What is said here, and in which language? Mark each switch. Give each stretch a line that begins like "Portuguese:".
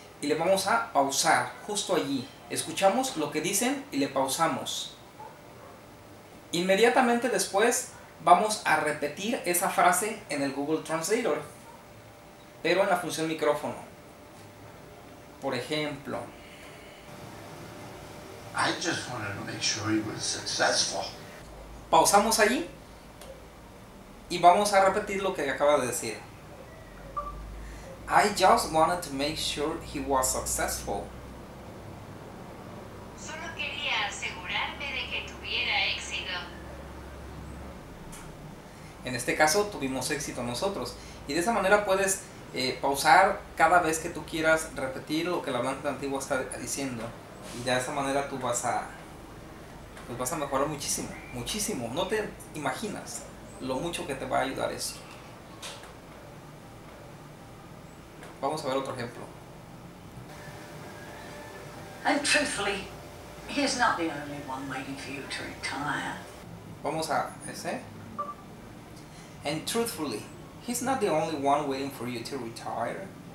Spanish: Y le vamos a pausar, justo allí. Escuchamos lo que dicen y le pausamos. Inmediatamente después, vamos a repetir esa frase en el Google Translator, pero en la función micrófono. Por ejemplo,
English: I just wanted to make sure you were successful.
Spanish: Pausamos allí y vamos a repetir lo que acaba de decir.
English: I just wanted to make sure he was successful.
Spanish: Solo quería asegurarme de que tuviera éxito. En este caso tuvimos éxito nosotros. Y de esa manera puedes pausar cada vez que tú quieras repetir lo que el hablante antiguo está diciendo. Y de esa manera tú vas a... pues vas a mejorar muchísimo, muchísimo. No te imaginas lo mucho que te va a ayudar eso. Vamos a ver otro ejemplo.
English: And truthfully, he's not the only one waiting for you to retire.
Spanish: Vamos a ese.
English: And truthfully, he's not the only one waiting for you to retire.